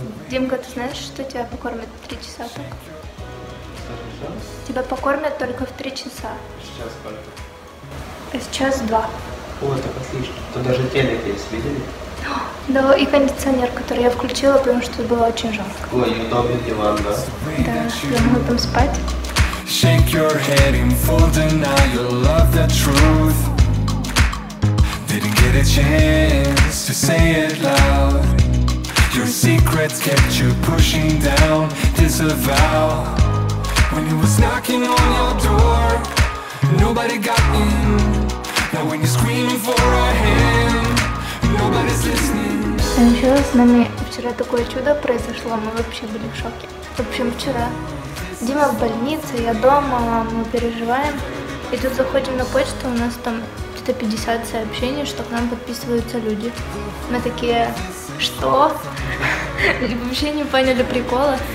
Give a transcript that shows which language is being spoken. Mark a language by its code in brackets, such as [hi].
[ru] Димка, ты знаешь, что тебя покормят в 3 часа? Тебя покормят только в 3 часа. Сейчас сколько? Сейчас 2. О, так отлично. Тут даже телек есть, видели? Да, и кондиционер, который я включила, потому что было очень жарко. Ой, неудобный диван, да? Да, я могу там спать. [en] Shake your head in full denial, love the truth. Didn't get a chance to say it loud. Your secrets kept you pushing down. Disavow. When it was knocking on your door, nobody got in. Now when you're screaming for a hand, nobody's listening. [ru] А еще с нами вчера такое чудо произошло. Мы вообще были в шоке. В общем, вчера Дима в больнице, я дома, мы переживаем. И тут заходим на почту, у нас там 150 сообщений, что к нам подписываются люди. Мы такие, что? Вообще не поняли прикола.